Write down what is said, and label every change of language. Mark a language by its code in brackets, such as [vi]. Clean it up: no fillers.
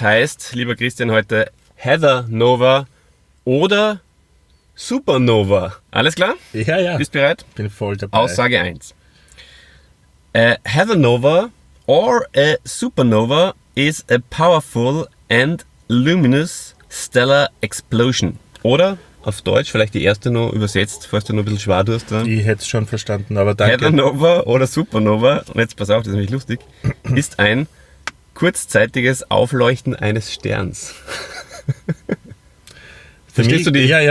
[de] heißt, lieber Christian, heute Heather Noah oder Supernova. Alles klar? Ja, ja. Bist bereit? Bin voll dabei. Aussage 1. [en] Heather Noah or a supernova is a powerful and luminous stellar explosion. [de] Oder auf Deutsch, vielleicht die erste noch übersetzt, falls du noch ein bisschen schwer durst. Ich hätte es schon verstanden, aber danke. Heather Noah oder Supernova, und jetzt pass auf, das ist nämlich lustig, ist ein kurzzeitiges Aufleuchten eines Sterns. Verstehst du die?